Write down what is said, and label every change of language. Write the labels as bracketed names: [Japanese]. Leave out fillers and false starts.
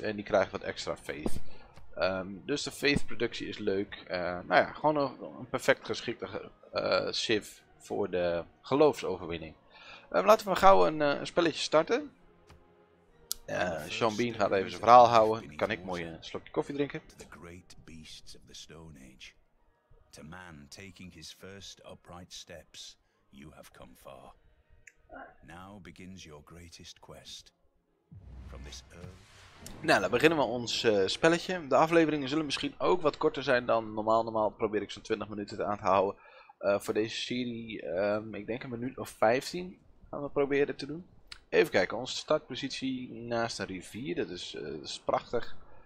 [Dutch] En die krijgt wat extra faith. Dus de faith productie is leuk. Nou ja, gewoon een perfect geschikte Civ voor de geloofsoverwinning. Laten we gauw een spelletje starten. Sean Bean gaat even zijn verhaal houden. Dan kan ik mooi een slokje koffie drinken. [English] The great beasts of the Stone Age. To man taking his first upright steps, you have come far. Now begins your greatest quest. From this earth. [Dutch] Nou, dan beginnen we ons spelletje. De afleveringen zullen misschien ook wat korter zijn dan normaal. Normaal probeer ik zo'n 20 minuten aan te houden. Voor deze serie, ik denk een minuut of 15 gaan we proberen te doen. Even kijken, onze startpositie naast een rivier, dat is prachtig.